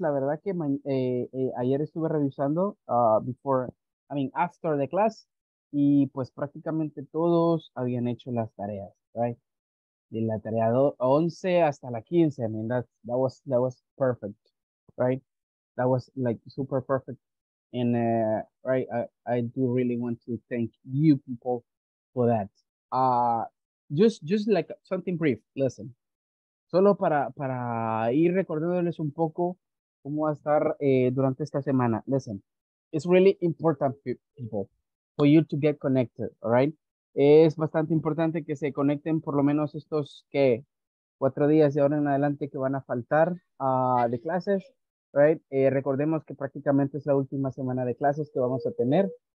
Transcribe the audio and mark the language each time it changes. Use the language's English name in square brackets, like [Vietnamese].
[Spanish] La verdad que ayer estuve revisando [English] after the class, [Spanish] y pues prácticamente todos habían hecho las tareas, right? De la tarea 11 hasta la 15. [English] I mean, that was perfect, right? That was like super perfect. And right, I do really want to thank you people for that. Just like something brief, listen. [Spanish] Solo para ir recordándoles un poco cómo va a estar durante esta semana. [English] Listen, it's really important people for you to get connected, all right? [Spanish] Es bastante importante que se conecten por lo menos estos que 4 días de ahora en adelante que van a faltar de clases. Right, recordemos que prácticamente es la última semana de clases que vamos a tener.